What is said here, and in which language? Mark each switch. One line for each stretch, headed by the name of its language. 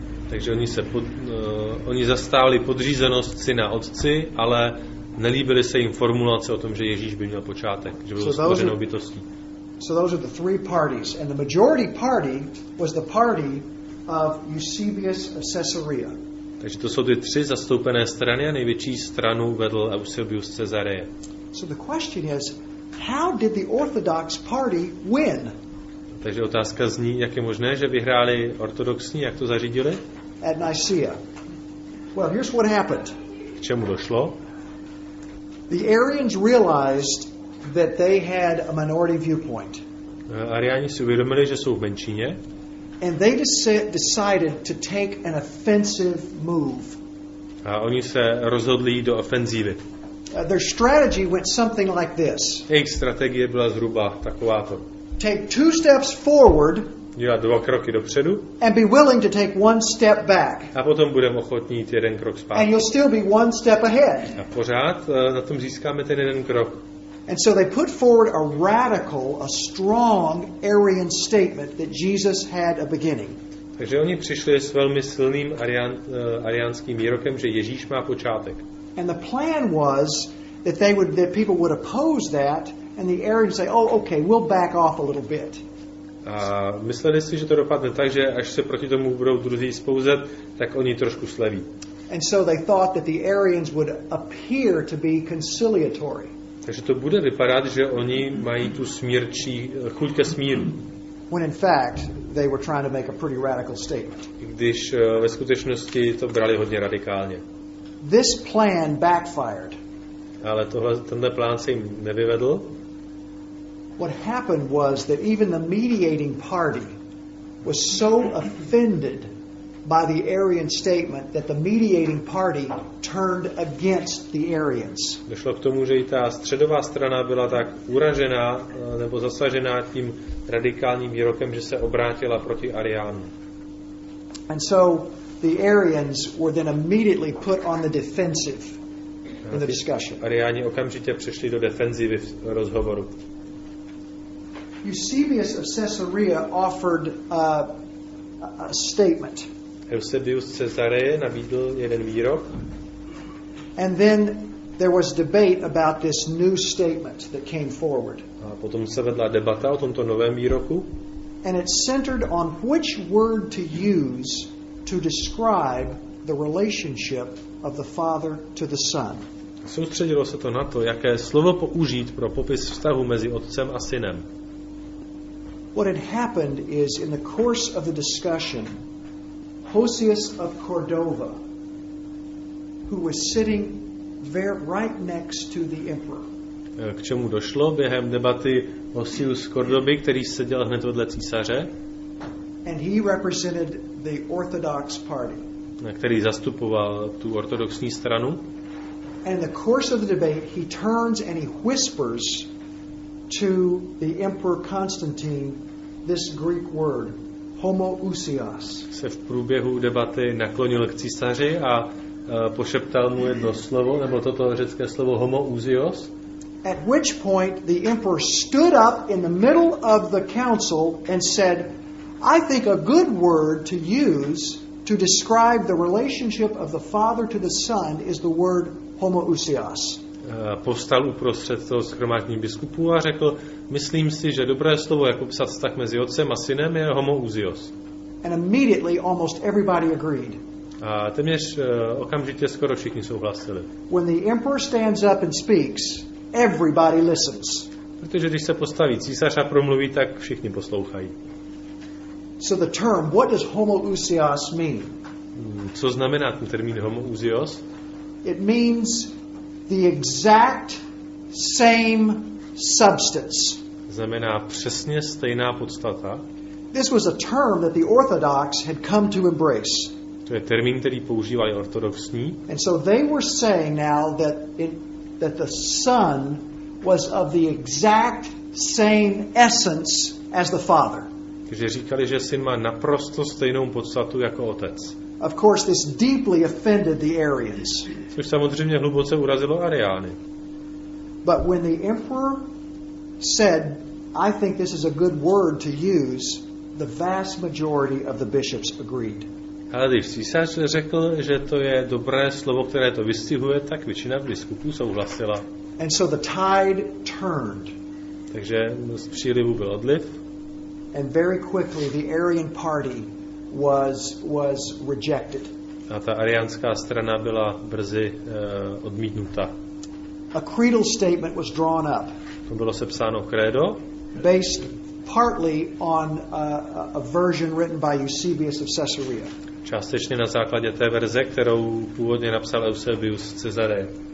Czech: Takže oni se oni zastávali podřízenost Syna Otci, ale nelíbily se jim formulace o tom, že Ježíš by měl počátek, že byl stvořenou bytostí.
English: So those are the three parties, and the majority party was the party of Eusebius of Caesarea.
Czech: Takže to jsou ty tři zastoupené strany a největší stranu vedl Eusebius z Cezareje.
English: So the question is, how did the Orthodox party win?
Czech: Takže otázka zní, jak je možné, že vyhráli ortodoxní, jak to zařídili?
English: At Nicaea. Well, here's what happened.
Czech: K čemu došlo?
English: The Arians realized that they had a minority viewpoint.
Czech: Ariáni si uvědomili, že jsou v menšině.
English: And they decided to take an offensive move.
Czech: A oni se rozhodli do ofenzívy.
English: Their strategy went something like this.
Czech: Jejich strategie byla zhruba takováto.
English: Take two steps forward.
Czech: Dělat dva kroky dopředu.
English: And be willing to take one step back.
Czech: A potom budeme ochotní jít jeden krok zpátky.
English: And you'll still be one step ahead.
Czech: A pořád na tom získáme ten jeden krok.
English: And so they put forward a radical, a strong Arian statement that Jesus had a beginning.
Czech: Takže oni přišli s velmi silným ariánským výrokem, že Ježíš má počátek.
English: And the plan was that they would, that people would oppose that, and the Arians say, "Oh, okay, we'll back off a little bit."
Czech: A mysleli si, že to dopadne tak, že až se proti tomu budou druzí spouzet, tak oni trošku sleví.
English: And so they thought that the Arians would appear to be conciliatory.
Czech: Takže to bude vypadat, že oni mají tu smírčí chuť ke smíru.
English: When in fact they were trying to make a pretty radical statement.
Czech: Když ve skutečnosti to brali hodně radikálně.
English: This plan backfired.
Czech: Ale tohle, tenhle plán se jim nevyvedl.
English: What happened was that even the mediating party was so offended by the Arian statement that the mediating party turned against the Arians.
Czech: Došlo k tomu, že i ta středová strana byla tak uražená nebo zasažená tím radikálním výrokem, že se obrátila proti Ariánu.
English: And so the Arians were then immediately put on the defensive in the discussion.
Czech: Ariáni okamžitě přešli do defenzivy v rozhovoru.
English: Eusebius of Caesarea offered a statement.
Czech: Eusebius Cezareje nabídl jeden výrok.
English: And then there was debate about this new statement that came forward.
Czech: A potom se vedla debata o tomto novém výroku.
English: And it centered on which word to use to describe the relationship of the Father to the Son.
Czech: Soustředilo se to na to, jaké slovo použít pro popis vztahu mezi Otcem a Synem.
English: What had happened is in the course of the discussion, Hosius of Cordova, who was sitting there right next to the emperor.
Czech: K čemu došlo během debaty Hosius Cordoby, který seděl hned vedle císaře?
English: And he represented the Orthodox party.
Czech: Který zastupoval tu ortodoxní stranu.
English: And in the course of the debate, he turns and he whispers to the emperor Constantine this Greek word. Homoousios.
Czech: Se v průběhu debaty naklonil k císaři a pošeptal mu jedno slovo, nebo toto řecké slovo homoousios.
English: At which point the emperor stood up in the middle of the council and said, "I think a good word to use to describe the relationship of the Father to the Son is the word homoousios."
Czech: Povstal uprostřed toho shromáždění biskupů a řekl, myslím si, že dobré slovo, jak popsat vztah mezi otcem a synem, je homoousios.
English: And immediately almost everybody agreed.
Czech: A téměř okamžitě skoro všichni souhlasili.
English: When the emperor stands up and speaks, everybody listens.
Czech: Protože když se postaví císař a promluví, tak všichni poslouchají.
English: So the term, what does homoousios mean?
Czech: Co znamená ten termín homoousios?
English: It means the exact same substance.
Czech: Znamená přesně stejná podstata.
English: This was a term that the Orthodox had come to embrace.
Czech: To je termín, který používali ortodoxní.
English: And so they were saying now that it, that the Son was of the exact same essence as the Father.
Czech: Takže říkali, že Syn má naprosto stejnou podstatu jako Otec.
English: Of course, this deeply offended the Arians.
Czech: Což samozřejmě hluboce urazilo Ariány.
English: But when the emperor said, "I think this is a good word to use," the vast majority of the bishops agreed.
Czech: Ale když císař řekl, že to je dobré slovo, které to vystihuje, tak většina biskupů souhlasila.
English: And so the tide turned.
Czech: Takže z přílivu byl odliv.
English: And very quickly the Arian party was rejected.
Czech: A ta ariánská strana byla brzy odmítnuta.
English: A creedal statement was drawn up.
Czech: To bylo sepsáno krédo.
English: Based partly on a version written by Eusebius of Caesarea.
Czech: Částečně na základě té verze, kterou původně napsal Eusebius z Cezareje.